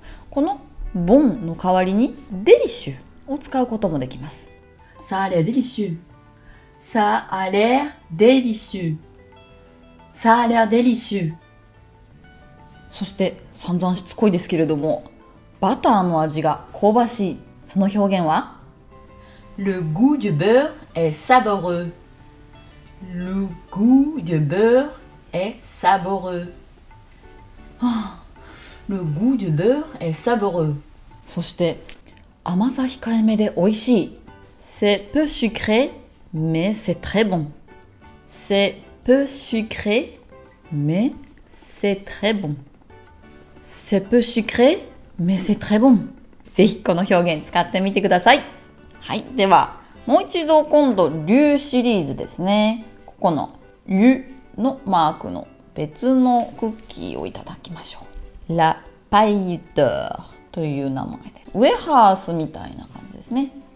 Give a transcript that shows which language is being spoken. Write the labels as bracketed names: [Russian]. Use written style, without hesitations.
[Japanese] このボンの代わりにデリシューを使うこともできます。 [French] サアレデリシュー、サアレデリシュー、サアレデリシュー。 [Japanese] そして散々しつこいですけれども、バターの味が香ばしい、その表現は [French] Le goût du beurre est savoureux、 Le goût du beurre est savoureux。 Le goût du beurre est savoureux。 [Japanese] そして甘さ控えめで美味しい、 [French] C'est peu sucré mais c'est très bon、 C'est peu sucré mais c'est très bon、 C'est peu sucré mais c'est très bon。 [Japanese] ぜひこの表現使ってみてください。はい、ではもう一度今度リューシリーズですね、ここのリューのマークの別のクッキーをいただきましょう。ラ・パイユ・ドゥーという名前で、ウェハースみたいな感じですね。